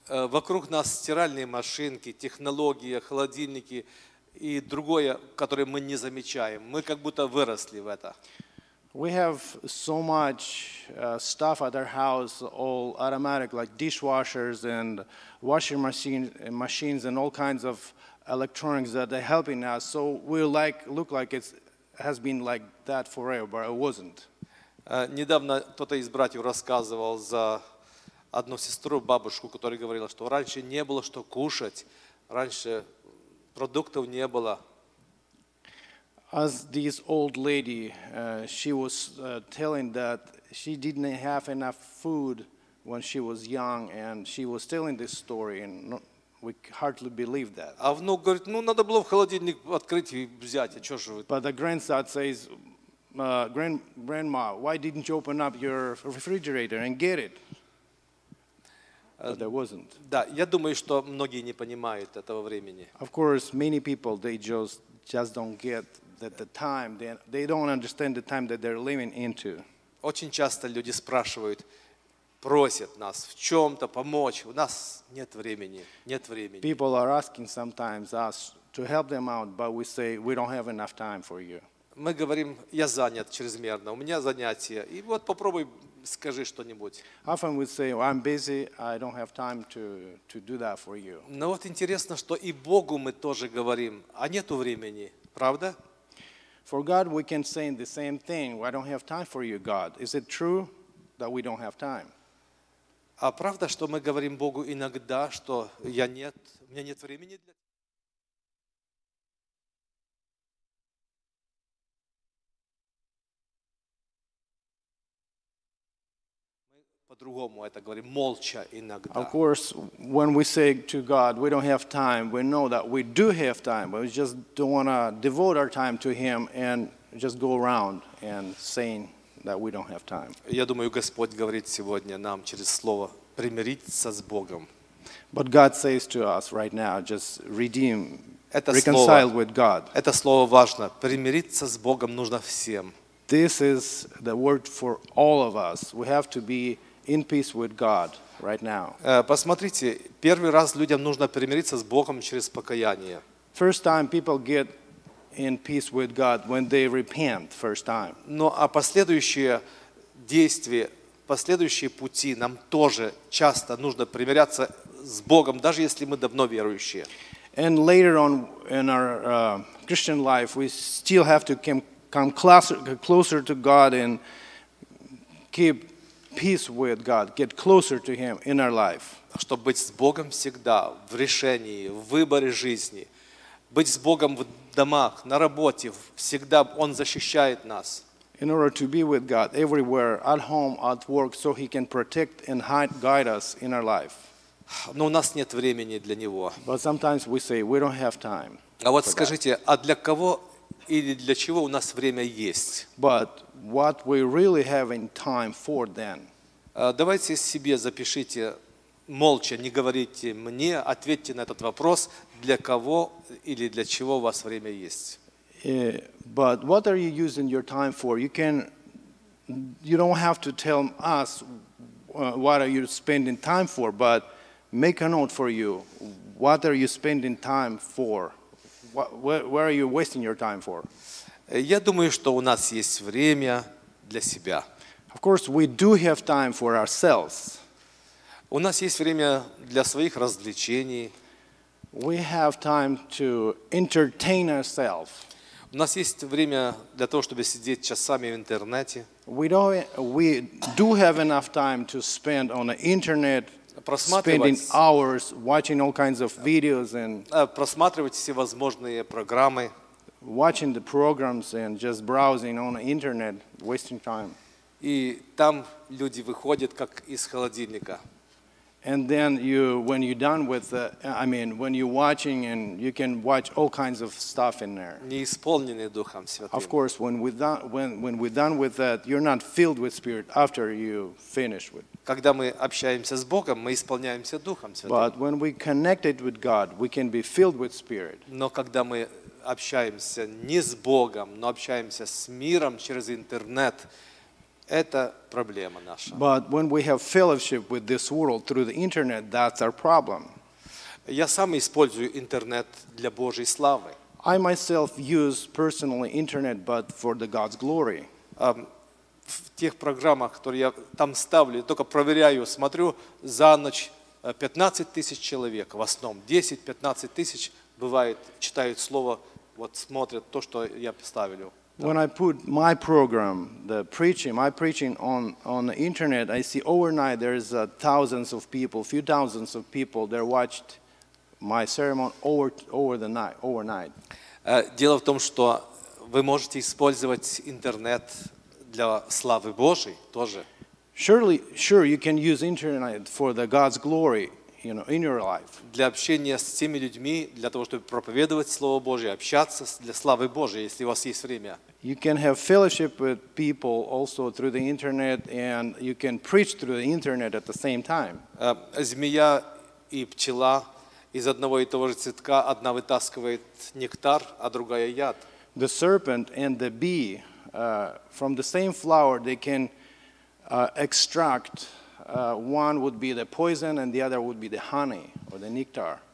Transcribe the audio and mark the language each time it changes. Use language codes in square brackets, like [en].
[ru] Вокруг нас стиральные машинки, технологии, холодильники и другое, которое мы не замечаем. Мы как будто выросли в это. [en] We have so much stuff at our house, all automatic, like dishwashers and washing machines and all kinds of electronics that are helping us. So we like look like it has been like that forever, but it wasn't. [ru] Недавно кто-то из братьев рассказывал за одну сестру, бабушку, которая говорила, что раньше не было что кушать, раньше продуктов не было. [en] As this old lady, she was telling that she didn't have enough food when she was young, and she was telling this story, and we hardly believe that. [ru] А внук говорит, ну надо было в холодильник открыть и взять, а чё же вы? [en] But the grandson says, Grandma, why didn't you open up your refrigerator and get it? But there wasn't. [ru] Да, я думаю, что многие не понимают этого времени. [en] Of course, many people they just don't get that the time. They don't understand the time that they're living into. [ru] Очень часто люди спрашивают, просят нас в чем-то помочь. У нас нет времени, нет времени. [en] People are asking sometimes us to help them out, but we say we don't have enough time for you. [ru] Мы говорим, я занят чрезмерно, у меня занятия. И вот попробуй, скажи что-нибудь. [en] Often we say, well, I'm busy, I don't have time to do that for you. [ru] Но вот интересно, что и Богу мы тоже говорим, а нету времени, правда? [en] For God we can say the same thing, well, I don't have time for you, God. Is it true that we don't have time? [ru] А правда, что мы говорим Богу иногда, что я нет, у меня нет времени для... По-другому это говорим, молча иногда. [en] Of course, when we say to God, we don't have time, we know that we do have time, but we just don't want to devote our time to Him and just go around and saying that we don't have time. [ru] Я думаю, Господь говорит сегодня нам через слово примириться с Богом. [en] But God says to us right now, just redeem, reconcile with God. [ru] Это слово важно. Примириться с Богом нужно всем. [en] This is the word for all of us. We have to be in peace with God right now. [ru] Посмотрите, первый раз людям нужно примириться с Богом через покаяние. [en] First time people get in peace with God when they repent first time. [ru] Но а последующие действия, последующие пути нам тоже часто нужно примиряться с Богом, даже если мы давно верующие. [en] And later on in our Christian life, we still have to come closer to God and keep peace with God, get closer to Him in our life. [ru] Чтобы быть с Богом всегда, в решении, в выборе жизни, быть с Богом в домах, на работе, всегда Он защищает нас. [en] In order to be with God everywhere, at home, at work, so He can protect and guide us in our life. [ru] Но у нас нет времени для него. [en] But sometimes we say we don't have time. [ru] А вот скажите, а для кого или для чего у нас время есть? [en] But what we really have in time for then? [ru] Давайте себе запишите молча, не говорите мне, ответьте на этот вопрос, для кого или для чего у вас время есть? [en] But what are you using your time for? You don't have to tell us what are you spending time for, but make a note for you. What are you spending time for? Where are you wasting your time for? [ru] Я думаю, что у нас есть время для себя. [en] Of course, we do have time for ourselves. [ru] У нас есть время для своих развлечений. [en] We have time to entertain ourselves. [ru] У нас есть время для того, чтобы сидеть часами в интернете. [en] We do have enough time to spend on the internet. Spending hours watching all kinds of videos and [ru] просматривать всевозможные программы, [en] watching the programs and just browsing on the internet, wasting time. [ru] И там люди выходят как из холодильника. [en] And then you, when you're done with, the, I mean, when you're watching and you can watch all kinds of stuff in there. [ru] Неисполненный духом святым. [en] Of course, when we're done with that, you're not filled with spirit after you finish with. [ru] Когда мы общаемся с Богом, мы исполняемся духом святым. [en] But when we connected with God, we can be filled with spirit. [ru] Но когда мы общаемся не с Богом, но общаемся с миром через интернет. Это проблема наша. [en] But when we have fellowship with this world through the internet, that's our problem. [ru] Я сам использую интернет для Божьей славы. [en] I myself use personally internet, but for the God's glory. [ru] В тех программах, которые я там ставлю, только проверяю, смотрю, за ночь 15 тысяч человек, в основном 10-15 тысяч бывает, читают слово, вот смотрят то, что я ставлю. [en] When I put my program, my preaching on the internet, I see overnight there's thousands of people, few thousands of people that watched my sermon overnight. [ru] Дело в том, что вы можете использовать интернет для славы Божьей тоже. [en] Sure, you can use internet for the God's glory, you know, in your life. [ru] Для общения с теми людьми, для того, чтобы проповедовать Слово Божье, общаться для славы Божьей, если у вас есть время. [en] You can have fellowship with people also through the internet, and you can preach through the internet at the same time. [ru] Змея и пчела из одного и того же цветка, одна вытаскивает нектар, а другая яд. [en] The serpent and the bee, from the same flower, they can extract, one would be the poison, and the other would be the honey, or the nectar.